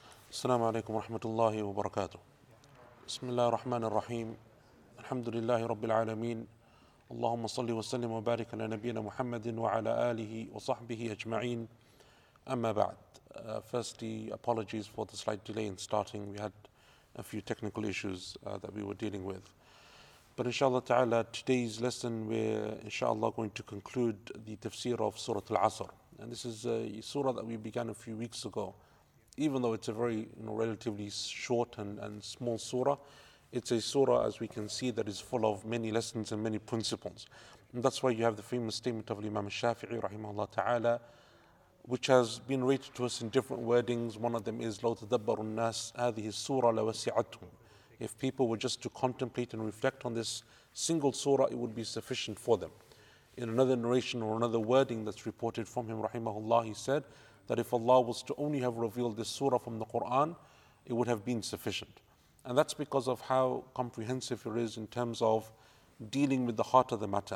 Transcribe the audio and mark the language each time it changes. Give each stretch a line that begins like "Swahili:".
Arabic: السلام عليكم ورحمة الله وبركاته. بسم الله الرحمن الرحيم. الحمد لله رب العالمين، اللهم صل وسلم وبارك على نبينا محمد وعلى آله وصحبه أجمعين. أما بعد،
English: firstly apologies for the slight delay in starting. We had a few technical issues that we were dealing with. But inshallah ta'ala, today's lesson we're inshallah going to conclude the tafsir of Surah Al-Asr. And this is a surah that we began a few weeks ago. Even though it's a very, you know, relatively short and small surah, it's a surah, as we can see, that is full of many lessons and many principles. And that's why you have the famous statement of Imam Shafi'i, rahimahullah ta'ala, which has been related to us in different wordings. One of them is,
Arabic: لَوْ تَدَبَّرُ النَّاسِ هَذِهِ السُّورَةَ لَوَسِعَتْهُمْ.
English: If people were just to contemplate and reflect on this single surah, it would be sufficient for them. In another narration or another wording that's reported from him, rahimahullah, he said that if Allah was to only have revealed this surah from the Quran, it would have been sufficient. And that's because of how comprehensive it is in terms of dealing with the heart of the matter.